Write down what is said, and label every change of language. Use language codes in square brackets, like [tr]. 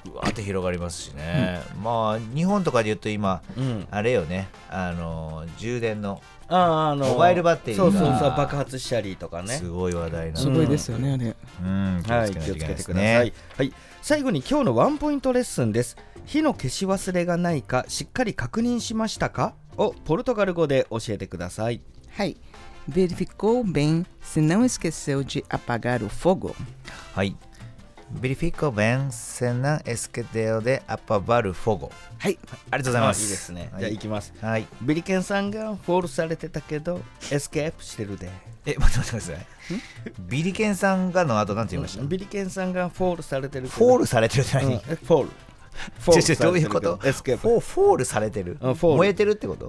[ja] うわーって広がりますしね。まあ日本とかで言うと今、あれよね、充電のモバイルバッテリーが、そう爆発したりとかね、すごい話題なの。すごいですよね、あれ。気をつけてください。はい、最後に今日のワンポイントレッスンです。火の消し忘れがないかしっかり確認しましたかをポルトガル語で教えてください。 [pt] はい、 verificou bem se não esqueceu de apagar o fogo? はい、 verificou bem se não esqueceu de apagar o fogo? [ja] はい、ありがとうございます。いいですね、はい、じゃあいきます。はい、ビリケンさんがフォールされてたけどエスケープしてるで。待ってください。ビリケンさんがの後なんて言いました？ビリケンさんがフォールされてる。フォールされてるって何？フォール、どういうこと？フォールされてる、燃えてるってこと？